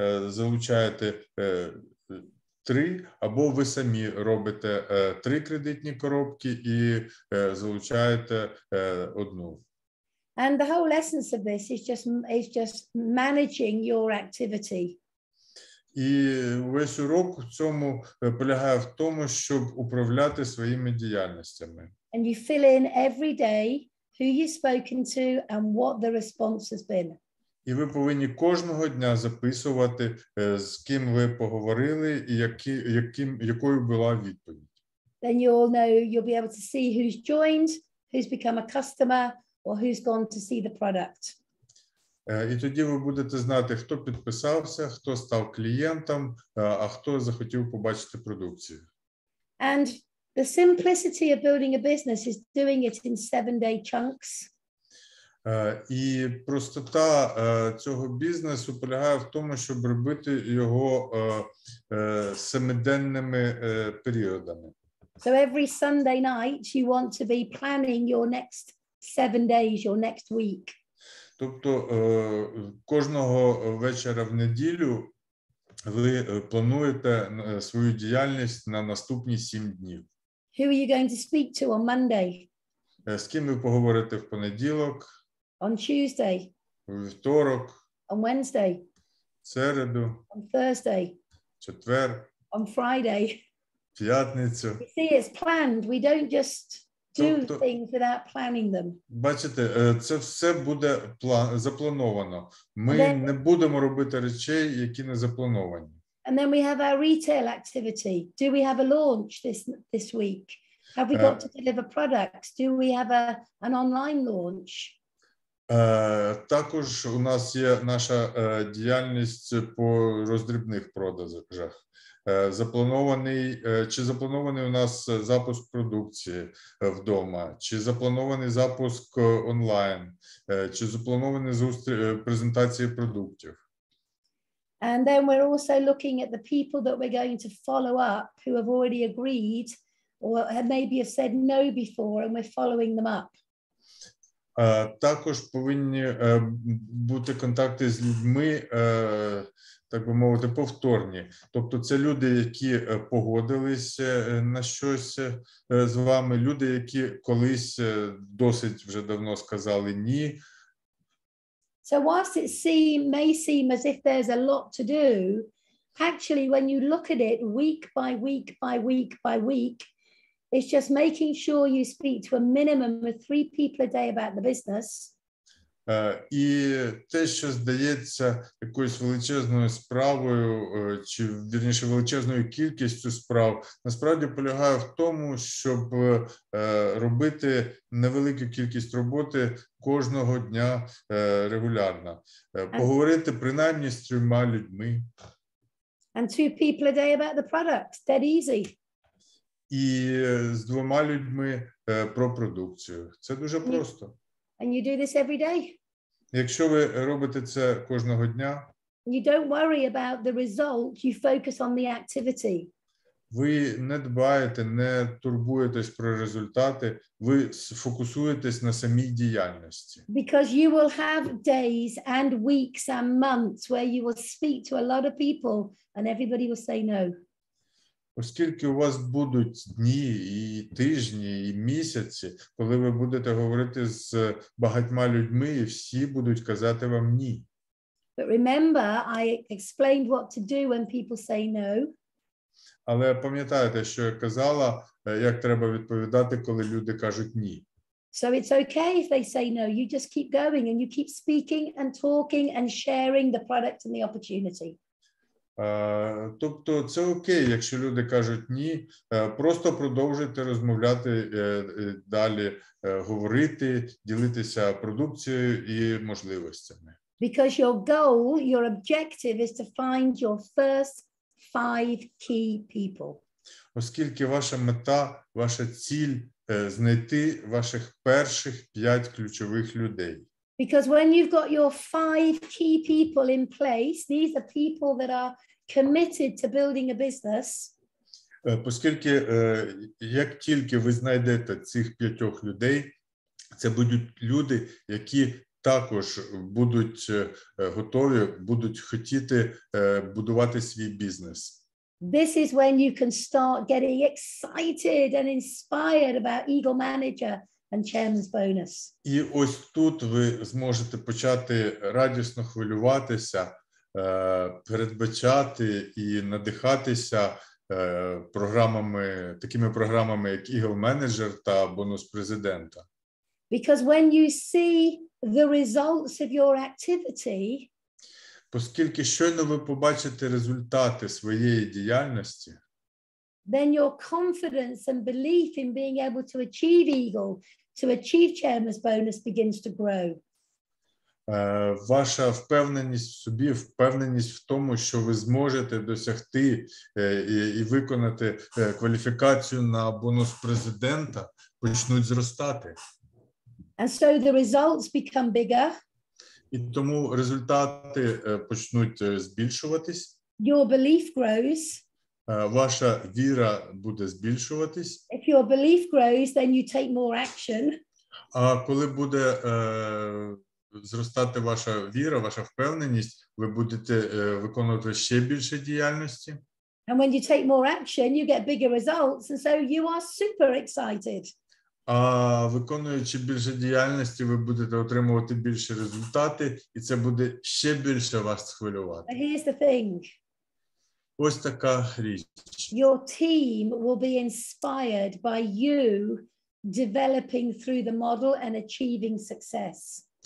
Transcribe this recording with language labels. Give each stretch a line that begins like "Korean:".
Ukrainian: Залучаєте три, або ви самі робите три кредитні коробки і залучаєте одну.
English: And the whole essence of this is just managing your activity.
Ukrainian: І весь урок в цьому полягає в тому, щоб управляти своїми діяльностями.
English: And you fill in every day who you've spoken to and what the response has been.
Ukrainian: І ви повинні кожного дня записувати, з ким ви поговорили і якою була відповідь.
English: Then you'll know, you'll be able to see who's joined, who's become a customer, or who's gone to see the product.
Ukrainian: І тоді ви будете знати, хто підписався, хто став клієнтом, а хто захотів побачити продукцію.
English: And the simplicity of building a business is doing it in 7-day chunks.
Ukrainian: І простота цього бізнесу полягає в тому, щоб робити його семиденними періодами.
English: So every Sunday night you want to be planning your next 7 days, your next week.
Ukrainian: Тобто кожного вечора в неділю ви плануєте свою діяльність на наступні 7 днів.
English: Who are you going to speak to on Monday?
Ukrainian: З ким ви поговорите в понеділок?
English: On Tuesday.
Ukrainian: Вівторок.
English: On Wednesday.
Ukrainian: Середу.
English: On Thursday.
Ukrainian: Четвер.
English: On Friday.
Ukrainian: П'ятницю.
English: You see, it's planned. We don't just do things without planning them.
Ukrainian: Бачите, це все буде заплановано. Ми не будемо робити речей, які не заплановані.
English: And then we have our retail activity. Do we have a launch this week? Have we got to deliver products? Do we have an online launch?
Ukrainian: Також у нас є наша діяльність по роздрібних продажах. Запланований у нас запуск продукції вдома, чи запланований запуск онлайн, чи запланований презентації продуктів.
English: And then we're also looking at the people that we're going to follow up who have already agreed or maybe have said no before, and we're following them up.
Ukrainian: Також повинні бути контакти з людьми, так би мовити, повторні. Тобто це люди, які погодилися на щось з вами, люди, які колись досить вже давно сказали ні.
English: So whilst it may seem as if there's a lot to do, actually when you look at it week by week by week by week, it's just making sure you speak to a minimum of 3 people a day about the business.
Ukrainian: І те, що здається якоюсь величезною справою, чи, вірніше, величезною кількістю справ, насправді полягає в тому, щоб робити невелику кількість роботи кожного дня регулярно. Поговорити принаймні з 3 людьми.
English: And 2 people a day about the product. Dead easy.
Ukrainian: І з 2 людьми про продукцію. Це дуже просто.
English: And you do this every day.
Ukrainian: Якщо ви робите це кожного дня,
English: you don't worry about the result, you focus on the activity.
Ukrainian: Ви не дбаєте, не турбуєтесь про результати, ви фокусуєтесь на самій діяльності.
English: Because you will have days and weeks and months where you will speak to a lot of people and everybody will say no.
Ukrainian: Оскільки у вас будуть дні і тижні, і місяці, коли ви будете говорити з багатьма людьми, і всі будуть казати вам ні.
English: But remember, I explained what to do when people say no.
Ukrainian: Але пам'ятаєте, що я казала, як треба відповідати, коли люди кажуть ні.
English: So it's okay if they say no, you just keep going and you keep speaking and talking and sharing the product and the opportunity.
Ukrainian: Тобто це окей, якщо люди кажуть ні, просто продовжуйте розмовляти далі, говорити, ділитися продукцією і можливостями.
English: Because your goal, your objective is to find your first 5 key people.
Ukrainian: Оскільки ваша мета, ваша ціль знайти ваших перших 5 ключових людей.
English: Because when you've got your 5 key people in place, these are people that are committed to building a business.
Ukrainian: Оскільки як тільки ви знайдете цих п'ятьох людей, це будуть люди, які також будуть готові, будуть хотіти будувати свій бізнес.
English: This is when you can start getting excited and inspired about Eagle Manager and Chairman's Bonus.
Ukrainian: І ось тут ви зможете почати радісно хвилюватися, передбачати і надихатися програмами, такими програмами, як Eagle Manager та Бонус Президента.
English: Because when you see the results of your activity,
Ukrainian: оскільки щойно ви побачите результати своєї діяльності,
English: then your confidence and belief in being able to achieve Eagle, to achieve Chairman's Bonus begins to grow.
Ukrainian: Ваша впевненість в собі, впевненість в тому, що ви зможете досягти і виконати кваліфікацію на бонус президента, почнуть зростати.
English: And so the results become bigger.
Ukrainian: І тому результати почнуть збільшуватись.
English: Your belief grows.
Ukrainian: Ваша віра буде збільшуватись.
English: If your belief grows, then you take more action.
Ukrainian: А коли буде зростати ваша віра, ваша впевненість, ви будете виконувати ще більше діяльності.
English: And when you take more action, you get bigger results, and so you are super excited.
Ukrainian: А виконуючи більше діяльності, ви будете отримувати більше результати, і це буде ще більше вас хвилювати.
English: But here's the thing.
Ukrainian: Ось така річ.
English: Your team will be inspired by you developing through the model and achieving success.